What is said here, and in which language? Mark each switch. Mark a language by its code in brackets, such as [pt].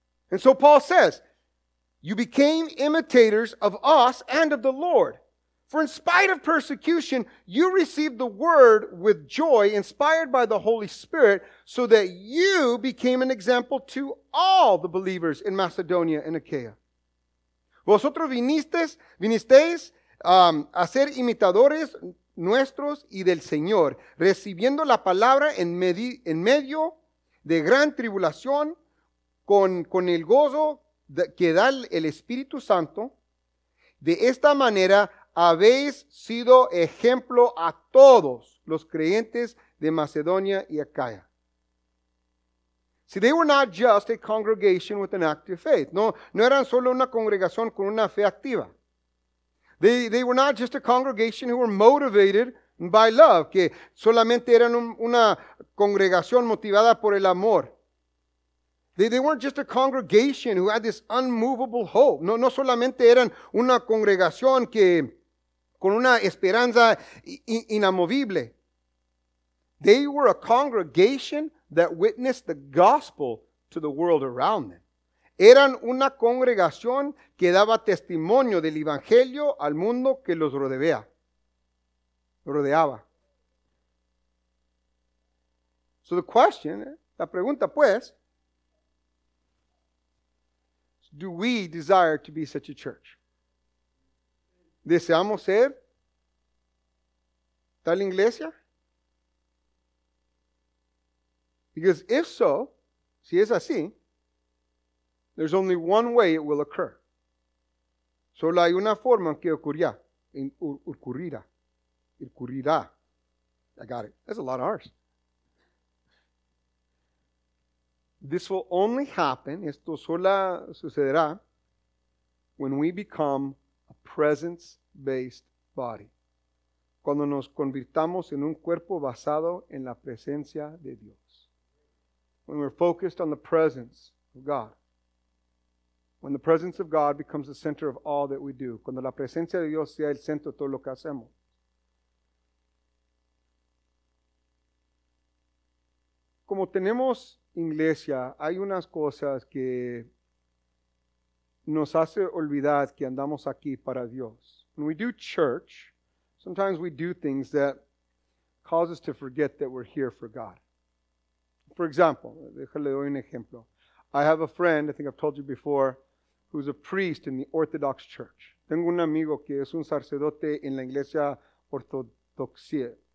[en] And so Paul says, you became imitators of us and of the Lord. For in spite of persecution, you received the word with joy, inspired by the Holy Spirit, so that you became an example to all the believers in Macedonia and Achaia. [es] Vosotros vinisteis a ser imitadores nuestros y del Señor, recibiendo la palabra en medio de gran tribulación, con el gozo que da el Espíritu Santo. De esta manera habéis sido ejemplo a todos los creyentes de Macedonia y Acaya. [en] See, they were not just a congregation with an active faith. [es] No eran solo una congregación con una fe activa. [en] They were not just a congregation who were motivated by love, [es] que solamente eran una congregación motivada por el amor. [en] They weren't just a congregation who had this unmovable hope. [es] No solamente eran una congregación que con una esperanza inamovible. [en] They were a congregation that witnessed the gospel to the world around them. [es] Eran una congregación que daba testimonio del evangelio al mundo que los rodeaba. [en] So the question, [es] la pregunta pues, [en] do we desire to be such a church? [es] ¿Deseamos ser tal iglesia? [en] Because if so, [es] si es así, [en] there's only one way it will occur. [es] Solo hay una forma en que ocurrirá. [en] I got it. That's a lot of R's. This will only happen, [es] esto solo sucederá, [en] when we become a presence-based body. [es] Cuando nos convirtamos en un cuerpo basado en la presencia de Dios. [en] When we're focused on the presence of God. When the presence of God becomes the center of all that we do. [es] Cuando la presencia de Dios sea el centro de todo lo que hacemos. Como tenemos iglesia, hay unas cosas que nos hace olvidar que andamos aquí para Dios. [en] When we do church, sometimes we do things that cause us to forget that we're here for God. For example, [es] déjale doy un ejemplo. [en] I have a friend, I think I've told you before, who's a priest in the Orthodox Church. [es] Tengo un amigo que es un sacerdote en la iglesia ortodoxa.